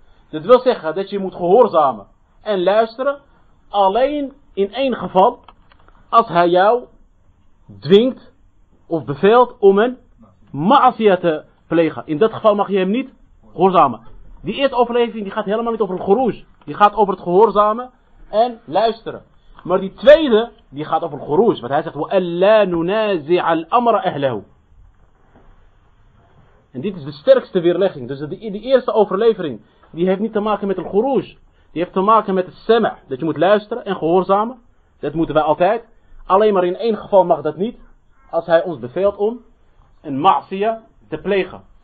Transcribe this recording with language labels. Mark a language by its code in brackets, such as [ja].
[nl] Dat wil zeggen dat je moet gehoorzamen en luisteren. Alleen in één geval. Als hij jou dwingt of beveelt om een ma'asiyat te plegen. In dat geval mag je hem niet gehoorzamen. Die eerste overleving die gaat helemaal niet over het geroes. Die gaat over het gehoorzamen en luisteren. Maar die tweede, die gaat over het geroes. Want hij zegt, [ar] وَأَلَّا نُنَازِعَ الْأَمْرَ أَهْلَهُ. [nl] En dit is de sterkste weerlegging. Dus die eerste overlevering, die heeft niet te maken met het geroes. Die heeft te maken met het sema. Dat je moet luisteren en gehoorzamen. Dat moeten wij altijd. Alleen maar in één geval mag dat niet. Als hij ons beveelt om een ma'asiyah te plegen.